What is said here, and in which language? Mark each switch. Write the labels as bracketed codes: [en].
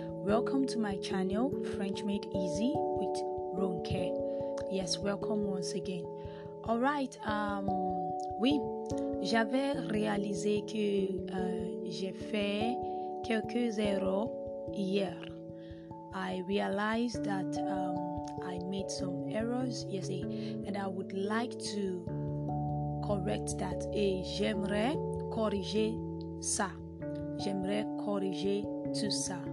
[en] Welcome to my channel, French Made Easy with Ronke. Yes, welcome once again. [fr] Alright, oui, j'avais réalisé que j'ai fait quelques erreurs. [en] Hier, I realized that I made some errors, you see, and I would like to correct that. [fr] Et j'aimerais corriger ça. J'aimerais corriger tout ça.